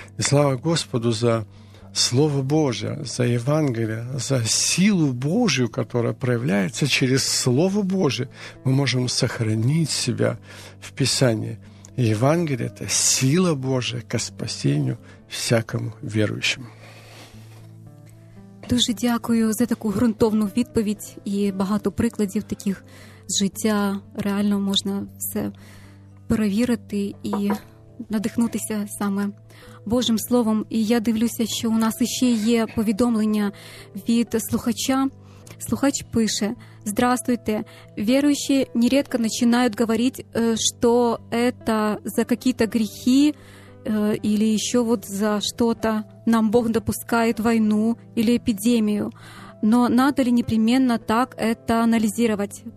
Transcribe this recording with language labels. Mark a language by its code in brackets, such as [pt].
[ru] И слава Господу за Слово Божие, за Евангелие, за силу Божию, которая проявляется через Слово Божие, мы можем сохранить себя в Писании. Евангелие – это сила Божия ко спасению всякому верующему. [uk] Дуже дякую за таку ґрунтовну відповідь і багато прикладів таких з життя. Реально можна все перевірити і надихнутися саме Божим Словом. І я дивлюся, що у нас ще є повідомлення від слухача. Слухач пише: [ru] «Здравствуйте. Верующие нередко начинают говорить, что это за какие-то грехи или еще вот за что-то нам Бог допускает войну или эпидемию. Но надо ли непременно так это анализировать?